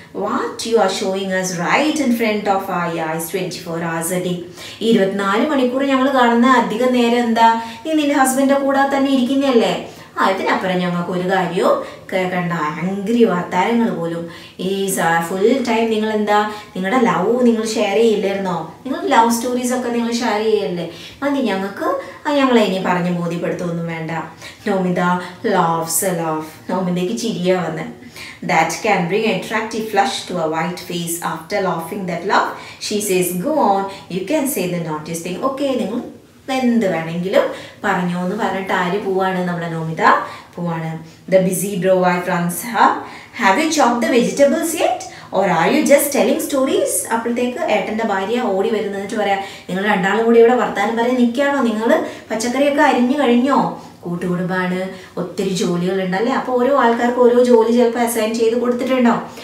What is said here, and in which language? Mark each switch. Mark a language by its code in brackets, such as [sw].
[en] What you are showing us right in front of our eyes 24 hours a day. [ml] 24 മണിക്കൂർ ഞങ്ങൾ കാണുന്ന അധികം നേരം എന്താ, നീ നിന്റെ ഹസ്ബൻഡിന്റെ കൂടെ തന്നെ ഇരിക്കുന്നല്ലേ. അതിനപ്പുറം ഞങ്ങൾക്ക് ഒരു കാര്യവും കേൾക്കണ്ട, ആംഗ്രി വാർത്താരങ്ങൾ പോലും. ഈ ഫുൾ ടൈം നിങ്ങൾ എന്താ, നിങ്ങളുടെ ലവ് നിങ്ങൾ ഷെയർ ചെയ്യില്ലായിരുന്നോ, നിങ്ങൾ ലവ് സ്റ്റോറീസൊക്കെ നിങ്ങൾ ഷെയർ ചെയ്യല്ലേ. മതി, ഞങ്ങൾക്ക് ഞങ്ങളെ ഇനി പറഞ്ഞ് ബോധ്യപ്പെടുത്തൊന്നും വേണ്ട. നോമിത [en] laughs a laugh, [ml] നോമിതയ്ക്ക് ചിരിയാ വന്നെ. [en] That can bring attractive flush to a white face after laughing that laugh. She says, go on, you can say the naughtiest thing. [ml] Okay, നിങ്ങൾ എന്ത് വേണമെങ്കിലും പറഞ്ഞോ എന്ന് പറഞ്ഞിട്ട് ആര് പോവാണ്, നമ്മുടെ നോമിത പോവാണ്. [en] The busy bro wife runs hub, have you chopped the vegetables yet or are you just telling stories. [ml] അപ്പോഴത്തേക്ക് ഏട്ടൻ്റെ ഭാര്യ ഓടി വരുന്നിട്ട് പറയാം, നിങ്ങൾ രണ്ടാളും കൂടി ഇവിടെ വർത്താനം പറയാൻ നിൽക്കുകയാണോ, നിങ്ങൾ പച്ചക്കറിയൊക്കെ അരിഞ്ഞു കഴിഞ്ഞോ, കൂട്ടുകുടുംബാണ്, ഒത്തിരി ജോലികളുണ്ടല്ലേ, അപ്പോൾ ഓരോ ആൾക്കാർക്ക് ഓരോ ജോലി ചിലപ്പോൾ അസൈൻ ചെയ്ത് കൊടുത്തിട്ടുണ്ടോ.